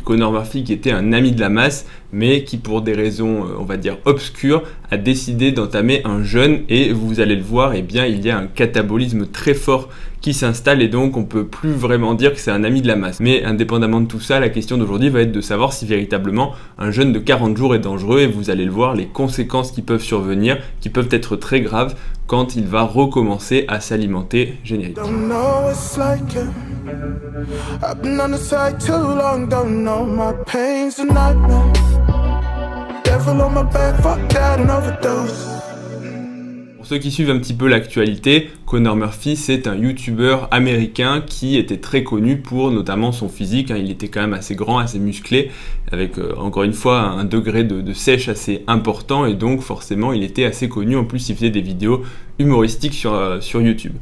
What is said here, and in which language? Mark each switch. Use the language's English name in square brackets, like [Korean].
[French] Connor Murphy qui était un ami de la masse, mais qui pour des raisons, on va dire, obscures, a décidé d'entamer un jeûne et vous allez le voir, eh bien, il y a un catabolisme très fort qui s'installe et donc on peut plus vraiment dire que c'est un ami de la masse. Mais indépendamment de tout ça, la question d'aujourd'hui va être de savoir si véritablement un jeûne de 40 jours est dangereux et vous allez le voir, les conséquences qui peuvent survenir, qui peuvent être très graves quand il va recommencer à s'alimenter. Générique. [English] Don't know it's like I've been on the side too long, don't know my pain's a nightmare. Devil on my back, fuck that, an overdose. [French] Ceux qui suivent un petit peu l'actualité, Connor Murphy, c'est un youtubeur américain qui était très connu pour notamment son physique. Il était quand même assez grand, assez musclé, avec encore une fois un degré de sèche assez important. Et donc forcément, il était assez connu. En plus, il faisait des vidéos humoristiques sur YouTube.